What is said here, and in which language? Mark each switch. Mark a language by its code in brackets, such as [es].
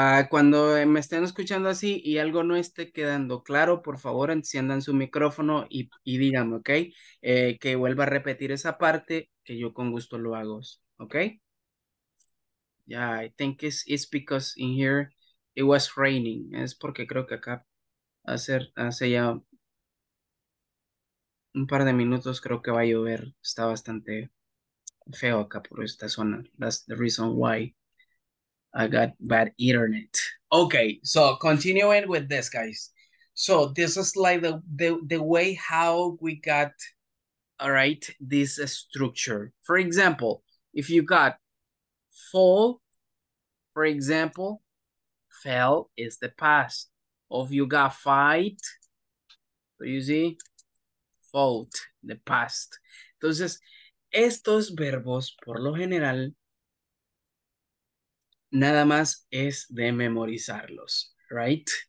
[es] Cuando me estén escuchando así y algo no esté quedando claro, por favor, enciendan su micrófono y díganme, ok. Que vuelva a repetir esa parte, que yo con gusto lo hago. Ok. [en] Yeah, I think it's because in here it was raining. [es] Es porque creo que acá hace ya un par de minutos creo que va a llover. Está bastante feo acá por esta zona. [en] That's the reason why I got bad internet. Okay, so continuing with this, guys. So this is like the way how we got, all right, this structure. For example, if you got fall, for example, fell is the past. Or if you got fight, so you see, fault, the past. [es] Entonces, estos verbos, por lo general, nada más es de memorizarlos, right?